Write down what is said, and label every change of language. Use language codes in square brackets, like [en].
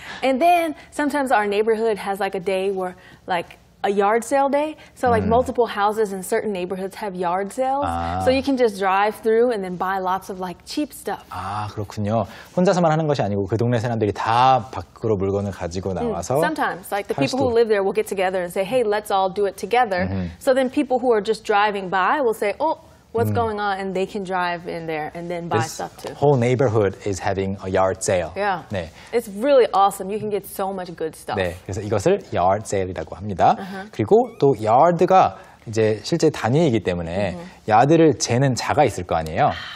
[en] And then sometimes our neighborhood has like a day where like a yard sale day. So like multiple houses in certain neighborhoods have yard sales. [ko] 아. [en] So you can just drive through and then buy lots of like cheap stuff. [ko] 아, 그렇군요. 혼자서만 하는 것이 아니고 그 동네 사람들이 다 밖으로 물건을 가지고 나와서 [en] Sometimes like the people who live there will get together and say, "Hey, let's all do it together." So then people who are just driving by will say, "Oh, what's going on?" and they can drive in there and then buy this stuff too. Whole neighborhood is having a yard sale. Yeah. [ko] 네. [en] It's really awesome. You can get so much good stuff. [ko] 네. 그래서 이것을 yard sale이라고 합니다. Uh-huh. 그리고 또 yard가 이제 실제 단위이기 때문에 yard를 재는 자가 있을 거 아니에요.